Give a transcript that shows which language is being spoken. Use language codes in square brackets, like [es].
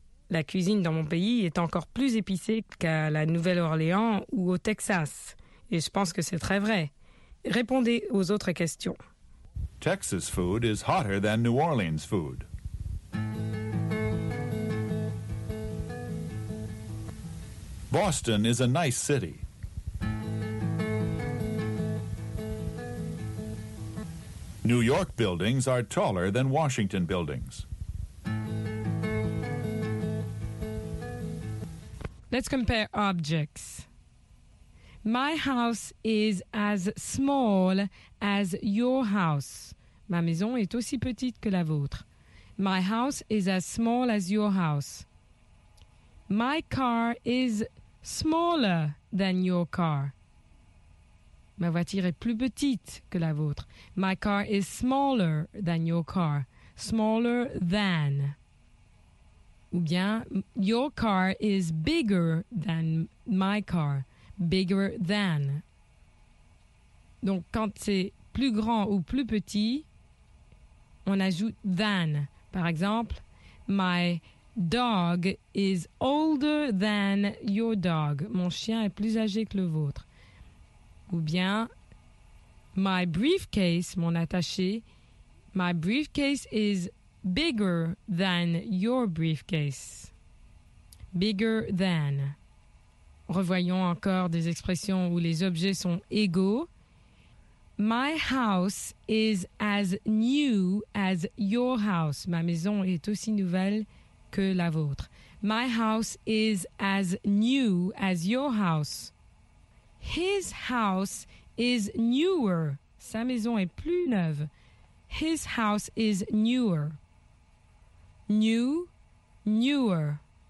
[fr] La cuisine dans mon pays est encore plus épicée qu'à la Nouvelle-Orléans ou au Texas. Et je pense que c'est très vrai. Répondez aux autres questions. [en] Texas food is hotter than New Orleans food. Boston is a nice city. New York buildings are taller than Washington buildings. Let's compare objects. My house is as small as your house. [fr] Ma maison est aussi petite que la vôtre. [en] My house is as small as your house. My car is... smaller than your car. [fr] Ma voiture est plus petite que la vôtre. [en] My car is smaller than your car. Smaller than. [fr] Ou bien, [en] your car is bigger than my car. Bigger than. [fr] Donc, quand c'est plus grand ou plus petit, on ajoute than. Par exemple, [en] my dog is older than your dog. [fr] Mon chien est plus âgé que le vôtre. Ou bien, [en] my briefcase, [fr] mon attaché, [en] my briefcase is bigger than your briefcase. Bigger than. [fr] Revoyons encore des expressions où les objets sont égaux. [en] My house is as new as your house. [fr] Ma maison est aussi nouvelle que la vôtre. [en] My house is as new as your house. His house is newer. [fr] Sa maison est plus neuve. [en] His house is newer. New, newer.